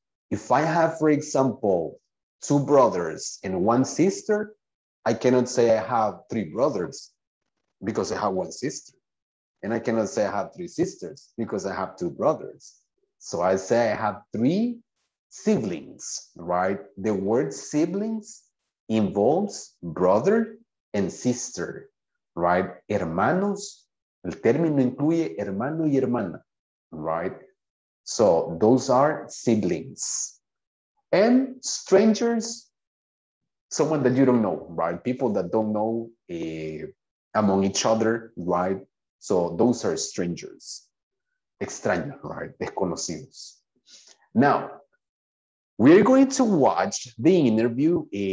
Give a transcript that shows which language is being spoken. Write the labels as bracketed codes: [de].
[en] If I have, for example, two brothers and one sister, I cannot say I have three brothers because I have one sister. And I cannot say I have three sisters because I have two brothers. So I say I have three siblings, right? The word siblings involves brother and sister, right? [es] Hermanos, el término incluye hermano y hermana, right? [en] So those are siblings. And strangers, someone that you don't know, right? People that don't know among each other, right? So those are strangers. Extraños, right? Desconocidos. Now, we're going to watch the interview.